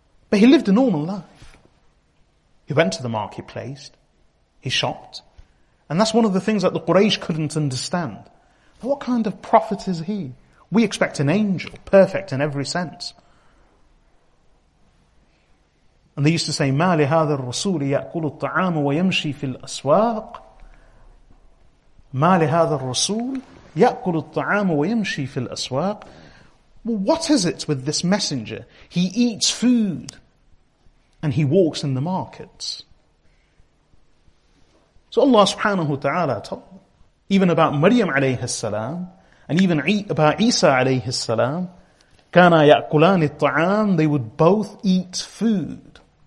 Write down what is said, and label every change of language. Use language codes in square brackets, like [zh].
[en] But he lived a normal life. He went to the marketplace, he shopped. And that's one of the things that the Quraysh couldn't understand. What kind of prophet is he? We expect an angel, perfect in every sense. And they used to say, [ar] مَا لِهَذَا الرَّسُولِ يَأْكُلُ الطَّعَامُ وَيَمْشِي فِي الْأَسْوَاقِ مَا لِهَذَا الرَّسُولِ يَأْكُلُ الطَّعَامُ وَيَمْشِي فِي الْأَسْوَاقِ. [en] Well, what is it with this messenger? He eats food and he walks in the markets. So Allah subhanahu wa ta'ala told even about Maryam alayhi salam, and even about Isa alayhi salam, kana ya'kulani at-ta'am, they would both eat food.